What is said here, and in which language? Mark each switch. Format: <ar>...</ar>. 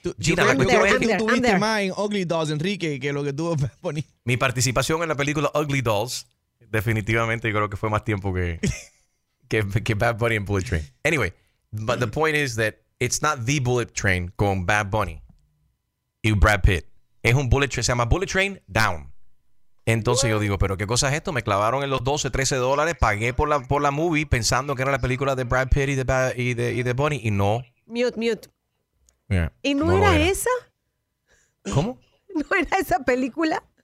<es>Gina, la cuestión es que tú viste más en Ugly Dolls, Enrique, que lo que tuvo Bad Bunny. Mi participación en la película Ugly Dolls, definitivamente, yo creo que fue más tiempo que Bad Bunny en Bullet Train.</es> <en>Anyway, but the point is that it's not the Bullet Train con Bad Bunny y Brad Pitt.</en> <es>Es un Bullet Train, se llama Bullet Train Down. Entonces yo digo, pero ¿qué cosa es esto? Me clavaron en los $12, $13, pagué por la movie pensando que era la película de Brad Pitt y de Bunny y no.</es> <en>Mute. Yeah,</en> <es>¿y no era esa? ¿Cómo? ¿No era esa película?</es>